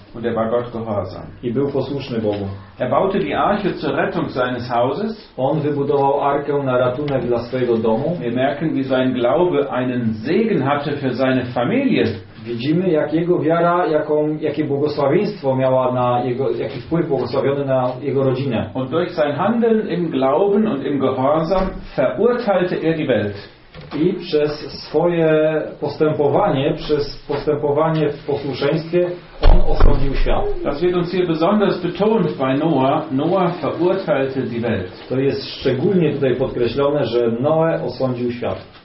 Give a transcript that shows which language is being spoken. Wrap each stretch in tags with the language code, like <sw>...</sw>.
<de>Und er war Gott gehorsam.</de> <pl>I był posłuszny Bogu.</pl> <de>Er baute die Arche zur Rettung seines Hauses.</de> <pl>On wybudował arkę na ratunek dla swojego domu.</pl> <de>Wir merken, wie sein Glaube einen Segen hatte für seine Familie.</de> <pl>Widzimy, jak jego wiara, jakie błogosławieństwo miała na jego, jaki wpływ błogosławiony na jego rodzinę.</pl> <de>Und durch sein Handeln im Glauben und im Gehorsam verurteilte er die Welt.</de> <pl>I przez swoje postępowanie, przez postępowanie w posłuszeństwie, on osądził świat.</pl> <de>Das wird uns hier besonders betont bei Noah. Noah verurteilte die Welt.</de> <pl>To jest szczególnie tutaj podkreślone, że Noe osądził świat.</pl>